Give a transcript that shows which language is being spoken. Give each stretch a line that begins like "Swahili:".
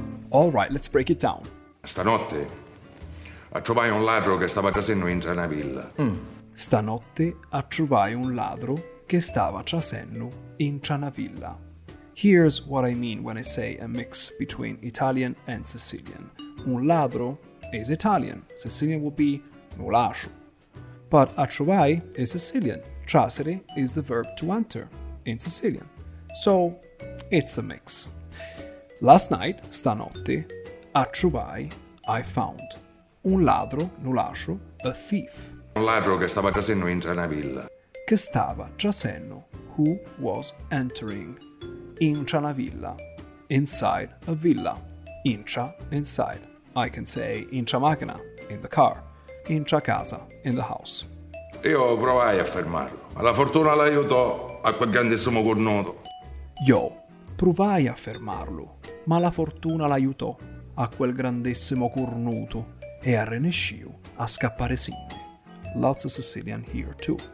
English: All right, let's break it down.
Italian: Stanotte trovai un ladro che stava trasendo in una villa. Stanotte trovai un ladro che stava trasendo in una villa.
English: Here's what I mean when I say a mix between Italian and Sicilian. Un ladro is Italian. Sicilian would be nulascio. But trovai is Sicilian. Trasere is the verb to enter in Sicilian. So, it's a mix. Last night, stanotte, trovai, I found.
Italian: Un ladro,
English: nulascio, a thief.
Italian: Un ladro che stava trasendo in una villa. Che stava trasendo,
English: who was entering.
Italian: Intra una villa,
English: inside a villa, intra, inside. I can say
Italian: intra macchina,
English: in the car,
Italian: intra casa,
English: in the house.
Italian: Io provai a fermarlo, ma la fortuna l'aiutò a quel grandissimo cornuto. Io provai a fermarlo, ma la fortuna l'aiutò a quel grandissimo cornuto
Sicilian: e arrenesciu a scappare sinne.
English: Lots of Sicilian here too.